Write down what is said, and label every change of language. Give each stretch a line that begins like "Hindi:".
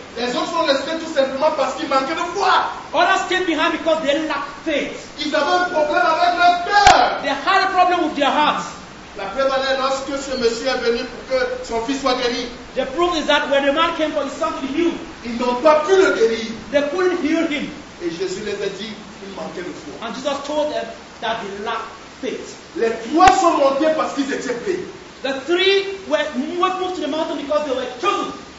French: Les autres sont restés tout simplement parce qu'ils manquaient de foi.
English: Others stayed behind because they lacked faith.
French: Ils avaient un problème avec leur cœur.
English: They had a problem with their hearts.
French: La preuve allait lorsque ce monsieur est venu pour que son fils soit guéri.
English: The proof is that when the man came for his son to heal,
French: ils n'ont pas pu le guérir.
English: They couldn't heal him.
French: Et Jésus les a dit.
English: And Jesus told them, that they lacked faith.
French: Les trois sont montés parce qu'ils étaient prêts.
English: The three were moved to the mountain because they were chosen.